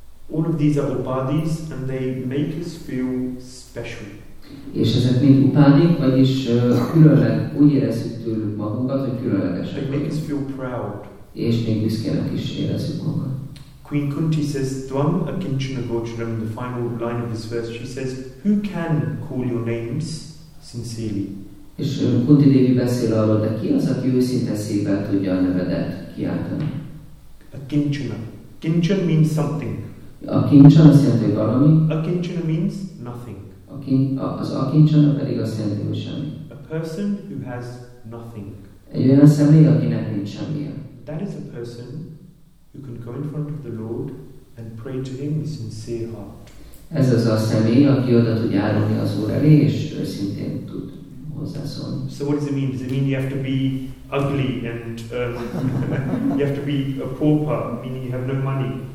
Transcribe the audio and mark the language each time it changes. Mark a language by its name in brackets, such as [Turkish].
[English] All of these are upadhis, and they make us feel special. [Hungarian] És ezek mind upadhik, vagyis különleg, úgy érezzük tőlük magunkat, hogy különlegesek. [English] They make us feel proud. [Hungarian] És még büszkének is érezzük magunkat. [English] Queen Kunti says, [Sanskrit] Dvam akinchana gochanam, [English] the final line of this verse, she says, who can call your names sincerely? [Hungarian] És Kunti Devi beszél arról, de ki az, aki őszinte szívvel tudja a nevedet kiáltani? [English] Akinchana. Kinchan means something. [Hungarian] A kincsen azt jelenti, hogy valami. [English] A kincsen means nothing. [Hungarian] A kincsen pedig azt jelenti, hogy semmi. [English] A person who has nothing. [Hungarian] Egy olyan személy, akinek nincs semmije. [English] That is a person who can go in front of the Lord and pray to him with sincere heart. [Hungarian] Ez az a személy, aki oda tud járulni az Úr elé, és őszintén tud hozzászólni. [English] So what does it mean? Does it mean you have to be ugly and you have to be a pauper, meaning you have no money?